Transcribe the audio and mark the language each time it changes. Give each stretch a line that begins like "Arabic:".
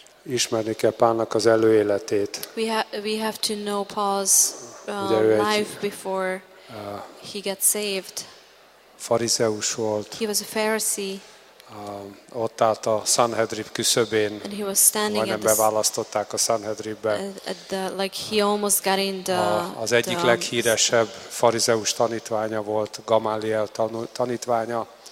Hungarian: Ismerni kell Pálnak az előéletét.
English: We have to know Paul's life before he got saved.
Hungarian: Farizeus volt.
English: He was a Pharisee.
Hungarian: Ott állt a Sanhedrin küszöbén.
English: And he was standing
Hungarian: majdnem beválasztották a Sanhedrinbe.
English: Like he almost got in the
Hungarian: az egyik leghíresebb farizeus tanítványa volt, Gamaliel tanítványa.